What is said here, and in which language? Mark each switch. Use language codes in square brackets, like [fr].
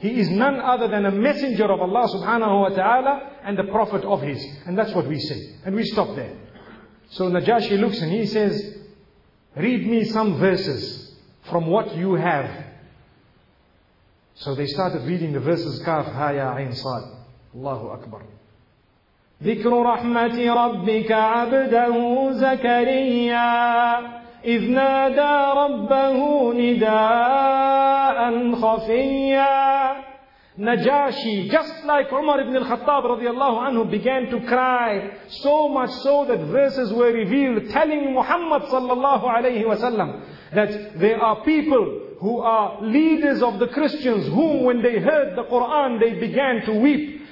[en] He is none other than a messenger of Allah subhanahu wa ta'ala and a prophet of his. And that's what we say. And we stop there. So Najashi looks and he says, read me some verses from what you have. So they started reading the verses Kaf, Ha, Ya, Ain, Sad. [ar] Allahu Akbar. ذكر رحمة ربك عبده زكريا إذ نادى ربه نداء خفيا. [en] Najashi, just like Umar ibn al-Khattab radiallahu anhu, began to cry so much so that verses were revealed telling Muhammad sallallahu alayhi wa sallam that there are people who are leaders of the Christians whom when they heard the Quran they began to weep.